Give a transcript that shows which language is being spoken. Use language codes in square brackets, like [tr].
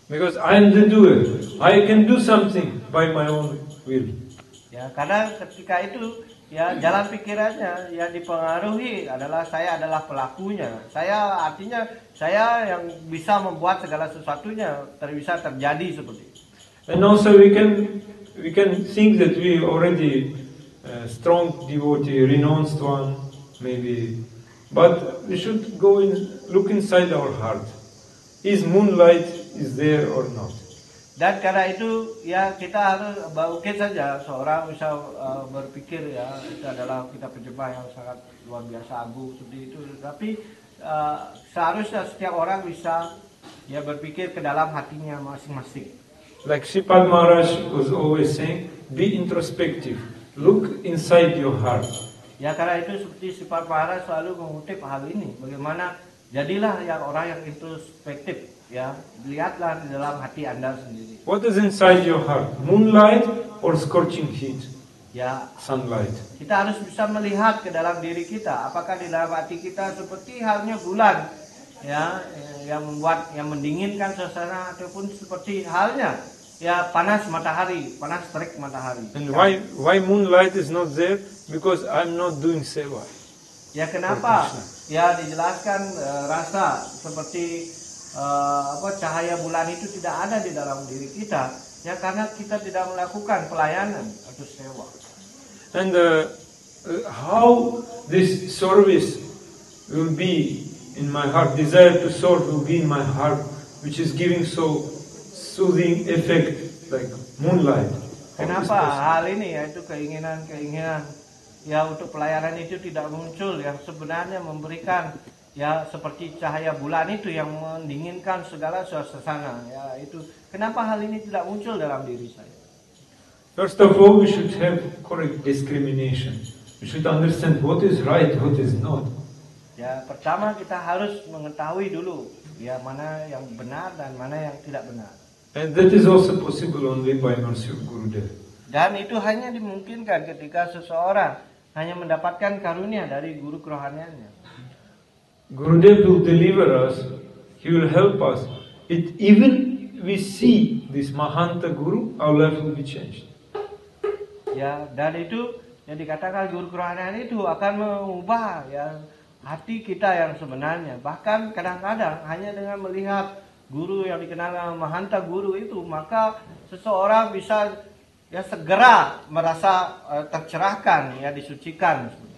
[en] Because I am the doer, I can do something by my own will. [id] Ya, karena ketika itu ya jalan pikirannya yang dipengaruhi adalah saya adalah pelakunya. Saya artinya saya yang bisa membuat segala sesuatunya bisa terjadi seperti itu. [en] And also we can think that we already strong devotee, renounced one maybe. But we should go in, look inside our heart. Is moonlight is there or not? [id] Dan karena itu ya kita harus mungkin saja seorang bisa berpikir ya itu adalah kita penjemah yang sangat luar biasa agung seperti itu, tapi seharusnya setiap orang bisa ya berpikir ke dalam hatinya masing-masing. [en] Like Sri Padma Maharaj was always saying, be introspective, look inside your heart. [id] Ya karena itu seperti Sri Padma Maharaj selalu mengutip hal ini, bagaimana jadilah yang orang yang introspektif. Ya, lihatlah di dalam hati Anda sendiri. [en] What is inside your heart? Moonlight or scorching heat? [id] Ya, [en] sunlight. [id] Kita harus bisa melihat ke dalam diri kita, apakah di dalam hati kita seperti halnya bulan, ya, yang membuat yang mendinginkan suasana ataupun seperti halnya ya panas matahari, panas terik matahari. [en] And why moonlight is not there? Because I'm not doing seva. [id] Ya, kenapa? Ya, dijelaskan rasa seperti cahaya bulan itu tidak ada di dalam diri kita, ya karena kita tidak melakukan pelayanan atau sewa. [en] And how this service will be in my heart, desire to serve will be in my heart, which is giving so soothing effect like moonlight. [id] Kenapa hal ini, yaitu keinginan-keinginan ya untuk pelayanan itu tidak muncul, yang sebenarnya memberikan ya seperti cahaya bulan itu yang mendinginkan segala suasana, ya itu kenapa hal ini tidak muncul dalam diri saya? [en] First of all, we should have correct discrimination. We should understand what is right, what is not. [id] Ya, pertama kita harus mengetahui dulu ya mana yang benar dan mana yang tidak benar. [en] And that is also possible only by mercy of Gurudev. [id] Dan itu hanya dimungkinkan ketika seseorang hanya mendapatkan karunia dari guru kerohaniannya. [en] Gurudev will deliver us, he will help us. It even we see this Mahanta Guru, our life will be changed. [id] Ya, dan itu yang dikatakan guru kerohanian itu akan mengubah ya hati kita yang sebenarnya. Bahkan kadang-kadang hanya dengan melihat guru yang dikenal Mahanta Guru itu, maka seseorang bisa ya segera merasa tercerahkan, ya disucikan.